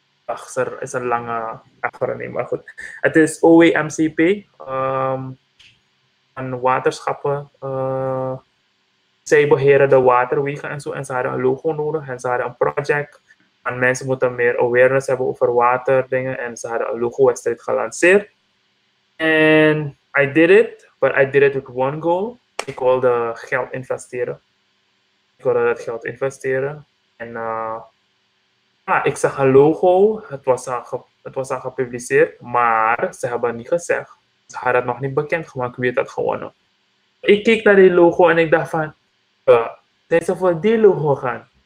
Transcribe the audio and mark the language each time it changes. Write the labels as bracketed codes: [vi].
[nl] Ach, er is een lange afronding, maar goed. Het is OAMCP. Van waterschappen. Zij beheren de waterwegen en zo. En ze hadden een logo nodig. En ze hadden een project. En mensen moeten meer awareness hebben over waterdingen. En ze hadden een logo-wedstrijd gelanceerd. [en] En I did it, but I did it with one goal. [nl] Ik wilde geld investeren. Ik wilde dat geld investeren. En ik zag een logo. Het was al gepubliceerd, maar ze hebben het niet gezegd. Ze hadden het nog niet bekend gemaakt wie het had gewonnen. Ik keek naar die logo en ik dacht van, zijn ze voor die logo gaan?